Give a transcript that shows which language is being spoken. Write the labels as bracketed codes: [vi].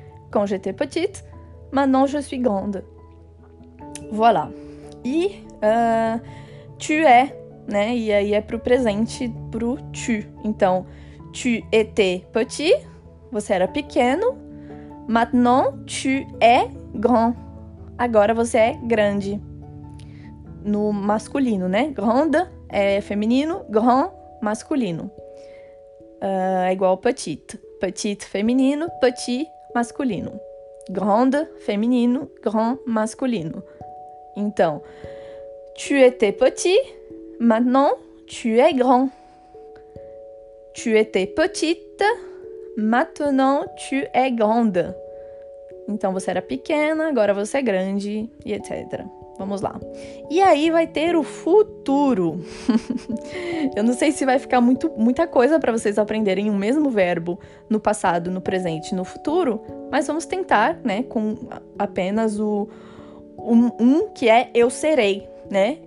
[fr] Quand j'étais petite, maintenant je suis grande. [pt] Voilà. E tu es, né? E aí é pro presente, pro tu. Então, [fr] tu étais petit, [pt] você era pequeno. [fr] Maintenant tu es grand. [pt] Agora você é grande. No masculino, né? Grande é feminino, grand masculino. É igual petite. Petite feminino, petit masculino. Grande, feminino, grand, masculino. Então, [fr] tu étais petit, maintenant tu es grand. Tu étais petite, maintenant tu es grande. [pt] Então, você era pequena, agora você é grande, e etc. Vamos lá. E aí vai ter o futuro. Eu não sei se vai ficar muita coisa para vocês aprenderem o mesmo verbo no passado, no presente e no futuro, mas vamos tentar, né, com apenas um que é eu serei, né?